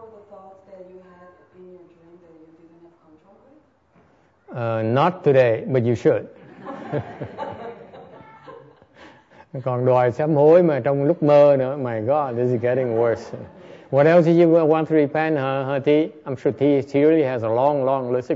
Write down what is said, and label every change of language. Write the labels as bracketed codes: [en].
[en] thoughts that you had in your dream that you didn't have control with? Not today, but you should. [vi] Còn đòi sám hối mà trong lúc mơ nữa, [en] my God, this is getting worse. What else do you want to repent, huh, T? I'm sure T really has a long, long list.